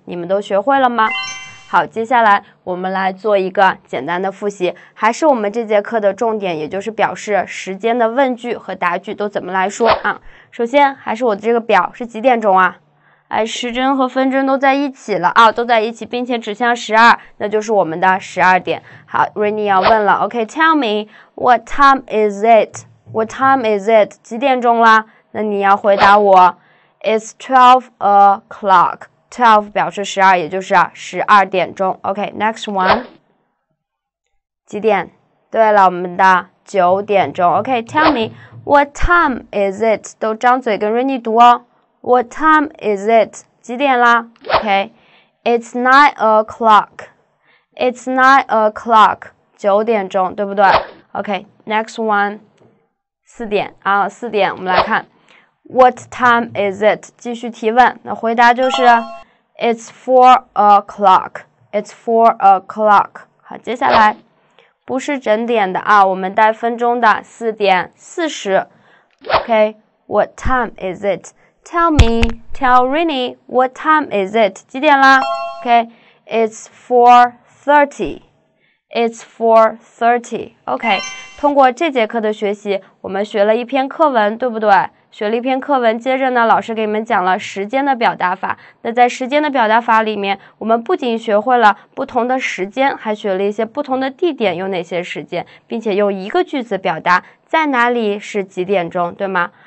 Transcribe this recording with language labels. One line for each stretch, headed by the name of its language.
Chinese: 你们都学会了吗？好，接下来我们来做一个简单的复习，还是我们这节课的重点，也就是表示时间的问句和答句都怎么来说啊。首先还是我的这个表，是几点钟啊？哎，时针和分针都在一起了啊，都在一起，并且指向十二，那就是我们的十二点。
English: 好 ，Rainy 要问了 ，OK， tell me what time is it？ What time is it？几点钟啦？
Chinese: 那你要回答我 ， It's 12 o'clock。 12表示十二，也就是十二点钟。
English: OK，next、okay, one， 几点？
Chinese: 对了，我们的九点钟。
English: OK，tell、okay, me what time is it？
Chinese: 都张嘴跟 Rainy 读哦。
English: What time is it? 几点啦？Okay, it's 9 o'clock. It's 9 o'clock.
Chinese: 九点钟，对不对 ？ Okay, next one. 四点啊，四点。
English: 我们来看，What time is it?
Chinese: 继续提问。
English: 那回答就是，It's 4 o'clock. It's 4 o'clock.
Chinese: 好，接下来不是整点的啊，我们带分钟的，四点四十。
English: Okay, what time is it? Tell me, tell Rainy, what time is it? 几点啦？Okay, it's 4:30. It's 4:30. Okay.
Chinese: 通过这节课的学习，我们学了一篇课文，对不对？学了一篇课文，接着呢，老师给你们讲了时间的表达法。那在时间的表达法里面，我们不仅学会了不同的时间，还学了一些不同的地点有哪些时间，并且用一个句子表达在哪里是几点钟，对吗？